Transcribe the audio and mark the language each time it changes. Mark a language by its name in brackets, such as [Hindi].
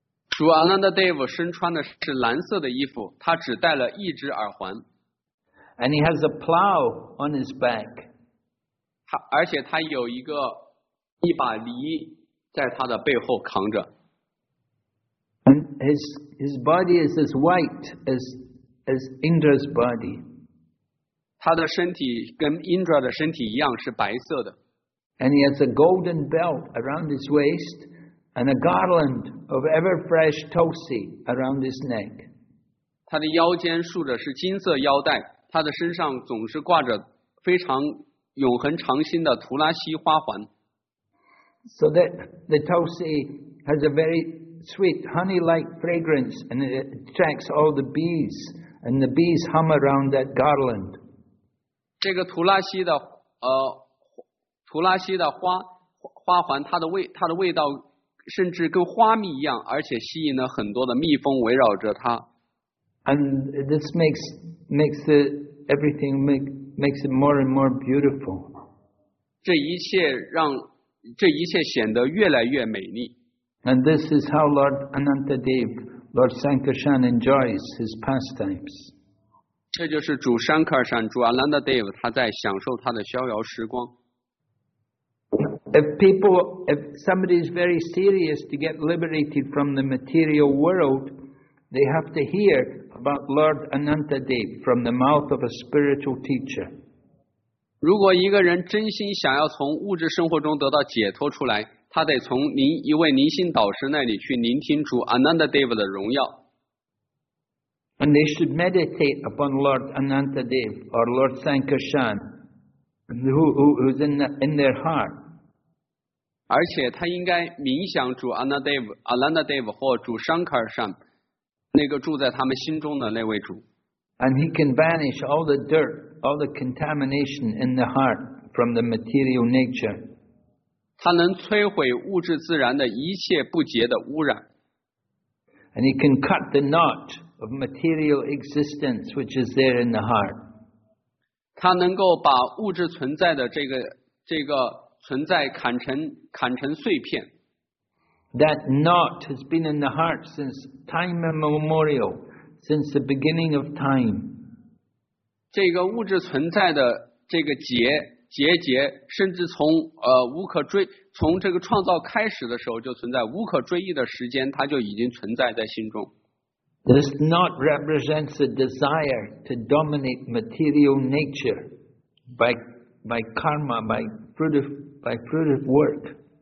[Chinese] 主阿兰德戴夫身穿的是蓝色的衣服，他只戴了一只耳环。 [English] And he has a plow on his back. [Chinese] 而且他有一把犁在他的背后扛着。 [English] And his body is as white as Indra's body. [Chinese] 他的身体跟 Indra 的身体一样是白色的。 [English] And he has a golden belt around his waist. And a garland of ever-fresh tulsi around his neck. [Chinese] 他的腰间束着是金色腰带，他的身上总是挂着非常永恒长新的图拉西花环。 [English] So that the tulsi has a very sweet honey-like fragrance, and it attracts all the bees, and the bees hum around that garland. [Chinese] 这个图拉西的花环，它的味道。甚至跟花蜜一样，而且吸引了很多的蜜蜂围绕着它。 [English] And this makes everything makes it more and more beautiful. [Chinese] 这一切显得越来越美丽。 [English] And this is how Lord Anantadeva, Lord Sankarshan enjoys his pastimes. [Chinese] 这就是主 Sankarshan, 主 Anantadeva, 他在享受他的逍遥时光。 [English] If somebody is very serious to get liberated from the material world, They have to hear about Lord Ananta Dev from the mouth of a spiritual teacher. [Chinese] 如果一个人真心想要从物质生活中得到解脱出来，他得从您一位灵性导师那里去聆听主 Ananta Dev 的荣耀。 [English] And they should meditate upon Lord Ananta Dev or Lord Sankarshan, who's in their heart. [Chinese] 而且他应该冥想主 Ananta Dev 或主 Sankarshan。那个住在他们心中的那位主 [English] ，and he can banish all the dirt, all the contamination in the heart from the material nature. [Chinese] 他能摧毁物质自然的一切不洁的污染 [English] ，and he can cut the knot of material existence which is there in the heart. [Chinese] 他能够把物质存在的这个存在砍成碎片。 [English] That knot has been in the heart since time immemorial, since the beginning of time. [Chinese] 这个物质存在的这个结，甚至从这个创造开始的时候就存在，无可追忆的时间，它就已经存在在心中。 [English] This knot represents a desire to dominate material nature by karma, by fruitive work.